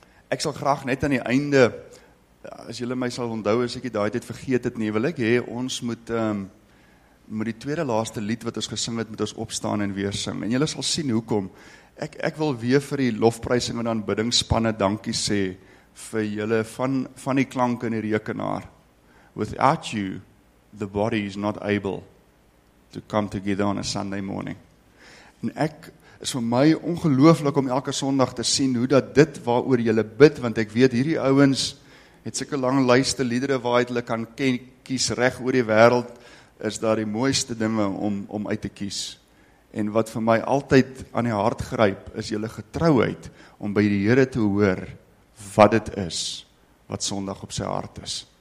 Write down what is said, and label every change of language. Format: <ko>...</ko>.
<af>Ek sal graag net aan die einde, as julle my sal onthou as ek die daai tyd vergeet het nie, wil ek hê ons moet met die tweede laaste lied wat ons gesing het, moet ons opstaan en weer sing. En julle sal sien hoekom. Ek wil weer vir die lofprysing en aanbiddingsspanne dankie sê vir julle van die klank in die rekenaar.</af> <en>Without you, the body is not able to come together on a Sunday morning.</en> <af>En ek is vir my ongelooflik om elke Sondag te sien hoe dat dit waaroor julle bid, want ek weet hierdie ouens het sulke lang lyste liedere waaruit hulle kan kies reg oor die wêreld, is daar die mooiste dinge om uit te kies. En wat vir my altyd aan die hart gryp, is julle getrouheid om by die Here te hoor wat dit is, wat Sondag op sy hart is.</af>